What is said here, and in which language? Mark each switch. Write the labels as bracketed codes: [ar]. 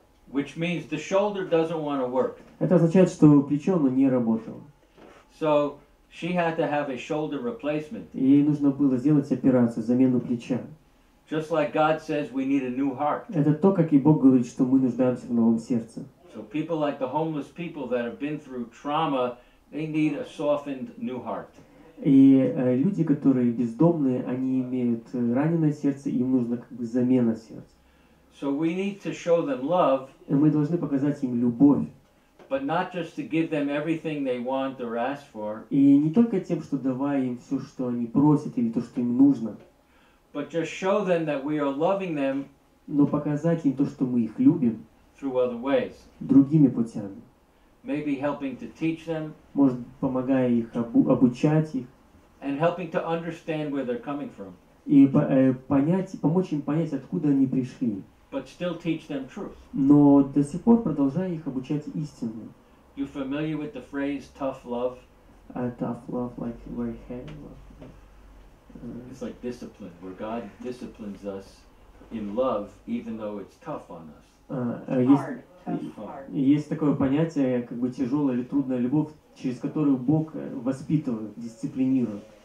[en] Which means the shoulder doesn't want to work. [ru] Это означает, что плечо оно не работало. [en] So she had to have a shoulder replacement. [ru] Ей нужно было сделать операцию, замену плеча. [en] Just like God says, we need a new heart. [ru] Это то, как и Бог говорит, что мы нуждаемся в новом сердце. [en] So people like the homeless people that have been through trauma, they need a softened new heart. [ru] И люди, которые бездомные, они имеют раненое сердце, им нужно как бы замена сердца. [en] So we need to show them love. [ru] И мы должны показать им любовь. [en] But not just to give them everything they want or ask for. [ru] И не только тем, что давая им все, что они просят или то, что им нужно. [en] But just show them that we are loving them. [ru] Но показать им то, что мы их любим. [en] Through other ways. [ru] Другими путями. [en] Maybe helping to teach them. [ru] Может, помогая их обучать их. [en] And helping to understand where they're coming from. [ru] И понять, помочь им понять, откуда они пришли. [en] But still teach them truth. [ru] Но до сих пор продолжая их обучать истине. [en] You familiar with the phrase tough love? Tough love, like very heavy love. It's like discipline, where God disciplines us in love, even though it's tough on us. Hard. [ru] Есть такое понятие, как бы тяжелая или трудная любовь, через которую Бог воспитывает, дисциплинирует.